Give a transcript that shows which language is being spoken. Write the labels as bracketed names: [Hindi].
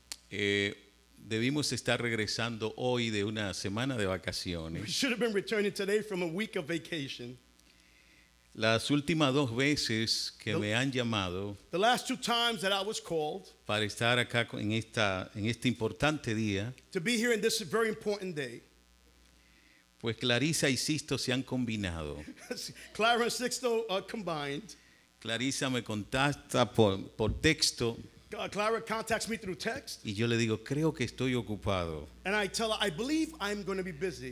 [Spanish] debimos estar regresando hoy de una semana de vacaciones. [English] We should have been returning today from a week of vacation. [Spanish] Las últimas dos veces que me han llamado [English] called, [Spanish] para estar acá en este importante día, [English] to be here in this very important day, [Spanish] pues Clarisa y Sixto se han combinado. [English] Clara and Sixto combined. [Spanish] Clarisa me contacta por texto. [English] Clara contacts me through text. [Spanish] Y yo le digo, creo que estoy ocupado. [English] And I tell her, I believe I'm going to be busy.